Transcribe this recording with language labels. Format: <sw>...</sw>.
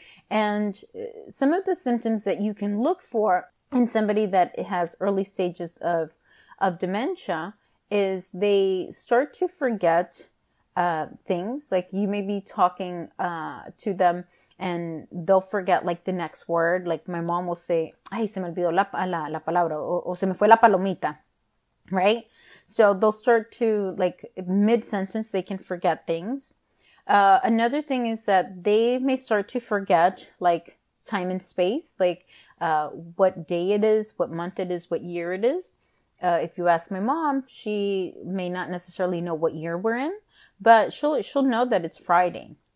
<en>And some of the symptoms that you can look for in somebody that has early stages of dementia is they start to forget things. Like you may be talking to them and they'll forget like the next word. Like my mom will say,</en> <es>"Ay, se me olvidó la palabra," or "se me fue la palomita."</es> <en>Right? So they'll start to like mid-sentence, they can forget things. Another thing is that they may start to forget like time and space, like what day it is, what month it is, what year it is. If you ask my mom, she may not necessarily know what year we're in, but she'll know that it's Friday.</en>